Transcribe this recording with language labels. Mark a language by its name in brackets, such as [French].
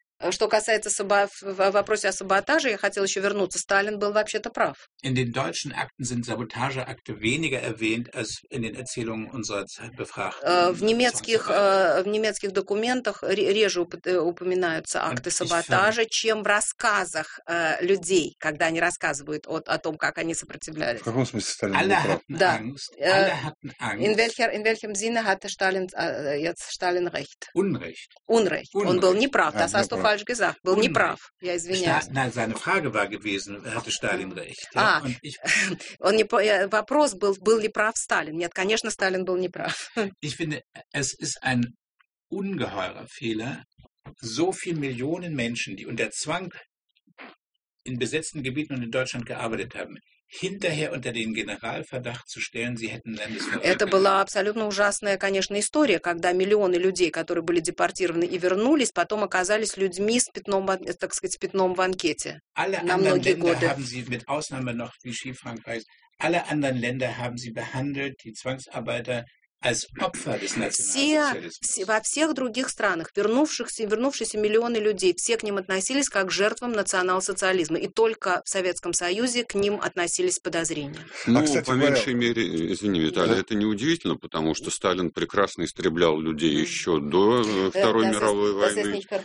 [Russian] Что касается вопроса о саботаже, я хотел еще вернуться. Сталин был вообще-то прав. [German] In den deutschen Akten sind Sabotageakte weniger erwähnt als in den Erzählungen unserer Zeit befragt. [Russian] В немецких документах реже упоминаются акты саботажа, чем в рассказах людей, когда они рассказывают о том, как они сопротивлялись. В каком смысле Сталин был прав? Да. [German] In welchem Sinne hatte Stalin jetzt Stalin recht? Unrecht. Unrecht. [Russian] Он был неправ. [German] Das hast du falsch gesagt. [Russian] Был неправ. Я извиняюсь. [German] Nein, seine Frage war gewesen, hatte Stalin recht? Ja? [Russian] Он не, вопрос был, был ли прав Сталин? Нет, конечно, Сталин был не прав. [German] Ich finde, es ist ein ungeheurer Fehler, so viele Millionen Menschen, die unter Zwang in besetzten Gebieten und in Deutschland gearbeitet haben, hinterher unter den Generalverdacht zu stellen, sie hätten Landesverbot. [Russian] Это была абсолютно ужасная, конечно, история, когда миллионы людей, которые были депортированы и вернулись, потом оказались людьми с пятном, так сказать, пятном в анкете. [German] Alle [Russian] на многие [German] Länder [Russian] годы. [German] Haben sie mit Ausnahme noch Vichy Frankreich, alle anderen Länder haben sie behandelt, die Zwangsarbeiter als Opfer des Nationalsozialismus. [Russian] Во всех других странах вернувшиеся миллионы людей, все к ним относились как к жертвам национал-социализма. И только в Советском Союзе к ним относились подозрения. Ну, а, кстати, по меньшей мере, извини, Виталий, да. Это не удивительно, потому что Сталин прекрасно истреблял людей еще до Второй мировой войны.